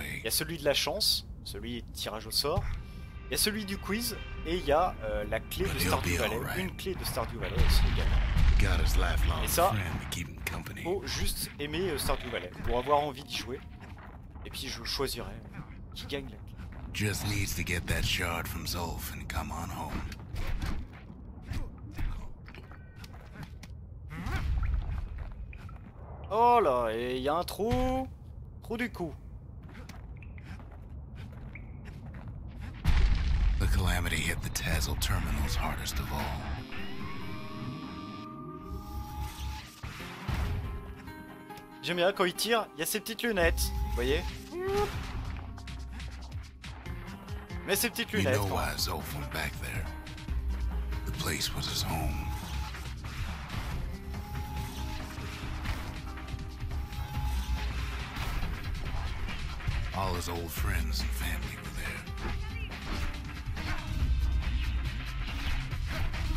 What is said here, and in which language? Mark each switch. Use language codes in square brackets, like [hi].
[fr] Il y a celui de la chance, celui de tirage au sort. Il y a celui du quiz et il y a la clé de Stardew Valley, une clé de Stardew Valley aussi également. Et ça, faut juste aimer Stardew Valley pour avoir envie d'y jouer. Et puis je choisirai qui gagne la clé. [en] Just needs to get that shard from Zulf and come on home. [fr] Oh là, et il y a un trou. Trou du coup. [en] The calamity hit the Tazzel terminals hardest of all. [fr] J'aime bien quand il tire, il y a ses petites lunettes, vous voyez? Mais ses petites lunettes. [en] You know why Zulf went back there. The place was his home. All his old friends and family were there.